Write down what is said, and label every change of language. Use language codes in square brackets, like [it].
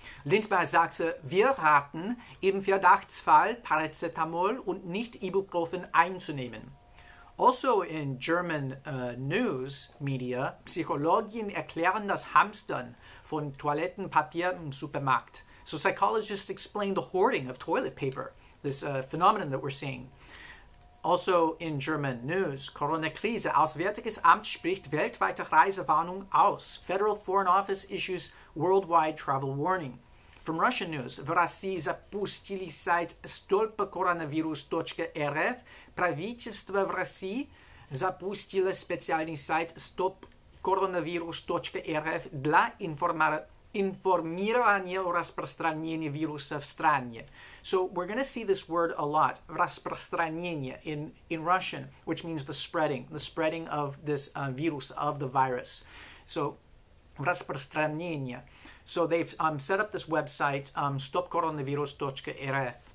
[de] Lindmeier sagte, wir raten, im Verdachtsfall Paracetamol und nicht Ibuprofen einzunehmen. [en] Also in German news media, [de] Psychologen erklären das Hamstern von Toilettenpapier im Supermarkt. [en] So psychologists explain the hoarding of toilet paper, this phenomenon that we're seeing. Also in German news, [de] Corona-Krise. Auswärtiges Amt spricht weltweite Reisewarnung aus. [en] Federal Foreign Office issues worldwide travel warning. From Russian news, [ru] в России запустили сайт столпа коронавирус.рф. Правительство в России запустило специальный сайт stopcoronavirus.rf для информирования о распространении вируса в стране. [en] So we're going to see this word a lot, распространение, in Russian, which means the spreading of this virus, of the virus. So, распространение. So they've set up this website, stopcoronavirus.rf.